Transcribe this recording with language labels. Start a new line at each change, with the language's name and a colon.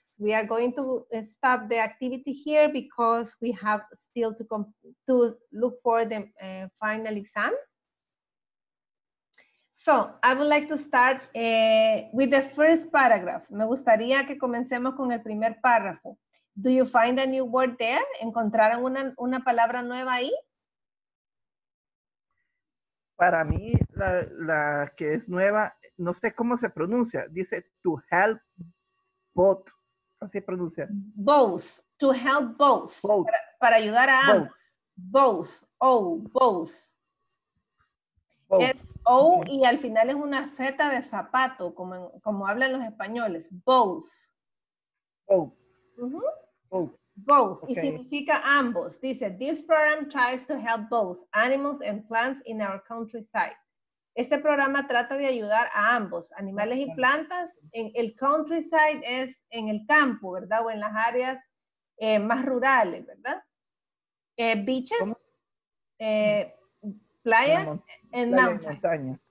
English: We are going to stop the activity here because we have still to look for the final exam. So, I would like to start with the first paragraph.
Spanish: Me gustaría que comencemos con el primer párrafo.
English: Do you find a new word there?
Spanish: ¿Encontraron una palabra nueva ahí? Para mí, la que es nueva, no sé cómo se pronuncia. Dice,
English: to help both.
Spanish: Así se pronuncia.
English: Both. To help both. Both.
Spanish: Para ayudar a ambos. Both. Oh, both. Both. Es O y al final es una zeta de zapato, como hablan los españoles.
English: Both. Both. Uh-huh. Both.
Spanish: Both, okay. Y significa ambos.
English: Dice, this program tries to help both animals and plants in our countryside.
Spanish: Este programa trata de ayudar a ambos, animales y plantas. En el countryside es en el campo, ¿verdad? O en las áreas más rurales, ¿verdad?
English: Beaches, playas, and mountains.